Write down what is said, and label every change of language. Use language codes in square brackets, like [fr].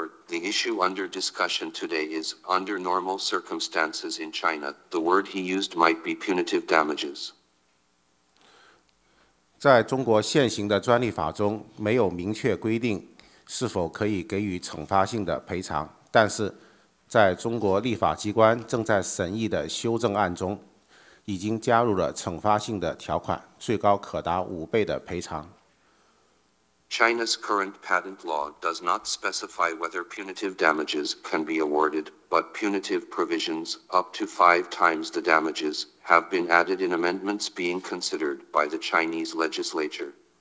[en] The issue under discussion today is, under normal circumstances in China, the word he used might be punitive damages. [zh] 在中国现行的专利法中没有明确规定是否可以给予惩罚性的赔偿，但是在中国立法机关正在审议的修正案中， 已经加入了惩罚性的条款，最高可达五倍的赔偿。 [en] China's current patent law does not specify whether punitive damages can be awarded, but punitive provisions up to five times the damages have been added in amendments being considered by the Chinese legislature.